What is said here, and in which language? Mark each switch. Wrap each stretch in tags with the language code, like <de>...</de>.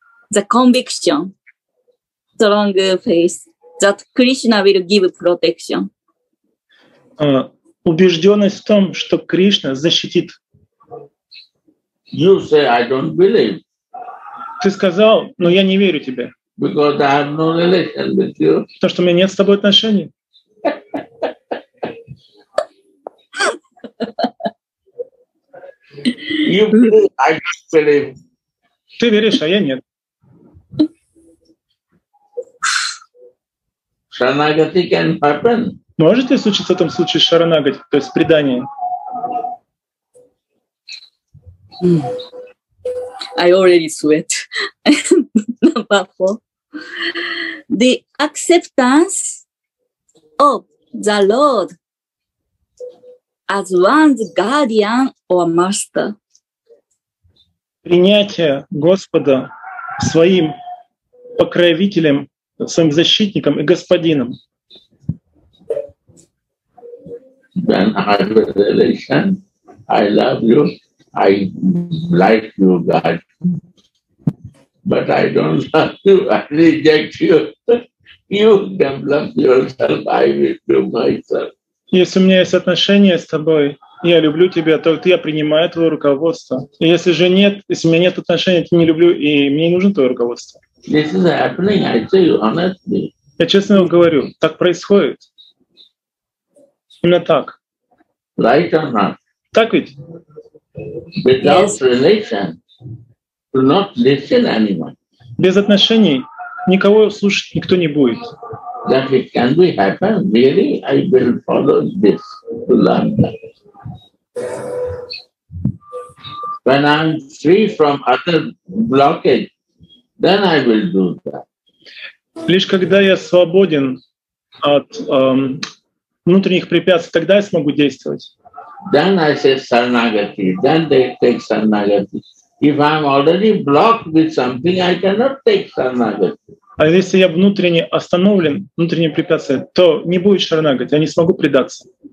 <en>The conviction, strong faith that Krishna will give protection.</en> <ru>Убежденность в том, что Кришна защитит.</ru> <en>You say I don't believe.</en> <ru>Ты сказал, но я не верю тебе.</ru> <en>Because I have no relation with you.</en> <ru>Потому что у меня нет с тобой отношений.</ru> <en>You believe, I don't believe.</en> <ru>Ты веришь, а я нет.</ru> <en>Шаранагати can happen.</en> <ru>Может ли случиться в этом случае шаранагати, то есть предание?</ru> <en>I already sweat. Number four. The acceptance of the Lord as one's guardian or master.</en> <ru>Принятие Господа своим покровителем, своим защитником и господином.</ru> <en>When I have a relation, I love you, I like you, God. But I don't love you, I reject you. You develop yourself, I will do myself.</en> <ru>Если у меня есть отношения с тобой, я люблю тебя, то я принимаю твое руководство. И если же нет, если у меня нет отношений, я не люблю, и мне не нужно твое руководство.</ru> <en>This is happening, I tell you honestly.</en> <ru>Я честно говорю, так происходит. Именно так.</ru> <en>Right or not?</en> <ru>Так ведь?</ru> <en>Without yes. relation, do not listen anyone.</en> <ru>Без отношений никого слушать никто не будет.</ru> <en>That it can be happen, really, I will follow this to learn that. When I'm free from other blockage, then I will do that.</en> <ru>Лишь когда я свободен от внутренних препятствий, тогда я смогу действовать.</ru> <en>Then I say sarnagati. Then they take sarnagati. If I'm already blocked with something, I cannot take sarnagati.</en> <ru>А если я внутренне остановлен, внутренние препятствия, то не будет шарнагати, я не смогу предаться.</ru>